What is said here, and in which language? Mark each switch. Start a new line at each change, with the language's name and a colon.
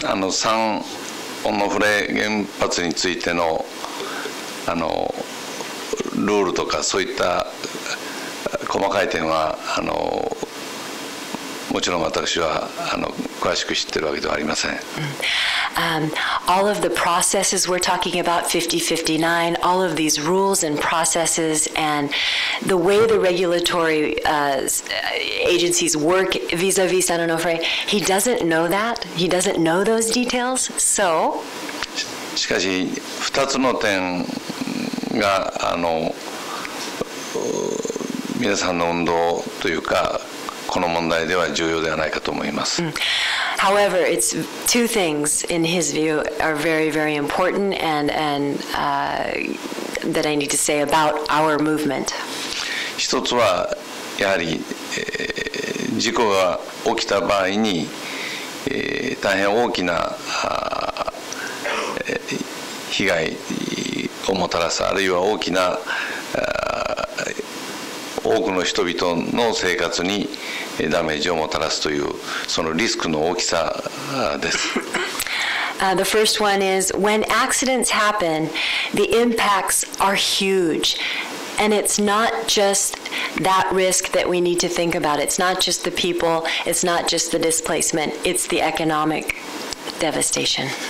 Japanese: San Onofre 原発についてのルールとかそういった細かい点はもちろん私は詳しく知ってるわけではありません。
English: All of the processes we're talking about, 5059, all of these rules and processes and the way the regulatory agencies work vis-a-vis San Onofre, he doesn't know that. He doesn't know those details. So,
Japanese: しかし2つの点が皆さんの運動というかこの問題では重要ではないかと思います。
English: However, it's two things in his view are very, very important that I need to say about our movement.
Japanese: 一つはやはり、事故が起きた場合に、大変大きな被害をもたらす、あるいは大きな多くの人々の生活にダメージをもたらすというそのリスクの大きさです。
English: The first one is when accidents happen, the impacts are huge, and it's not just that risk that we need to think about. It's not just the people, it's not just the displacement, it's the economic devastation.